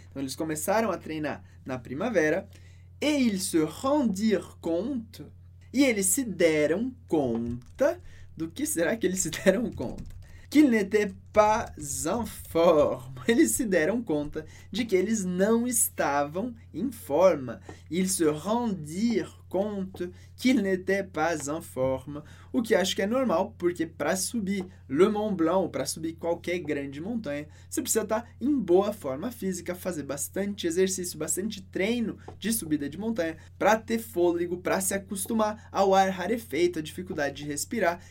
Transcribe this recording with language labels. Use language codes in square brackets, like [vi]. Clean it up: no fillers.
[pt] Então, eles começaram a treinar na primavera. [fr] Et ils se rendirent compte. [pt] E eles se deram conta. Do que será que eles se deram conta? [fr] Qu'ils n'étaient pas en forme. [pt] Eles se deram conta de que eles não estavam em forma. [fr] Ils se rendirent compte qu'ils n'étaient pas en forme. [pt] O que acho que é normal, porque para subir Le Mont Blanc, para subir qualquer grande montanha, você precisa estar em boa forma física, fazer bastante exercício, bastante treino de subida de montanha, para ter fôlego, para se acostumar ao ar rarefeito, à dificuldade de respirar.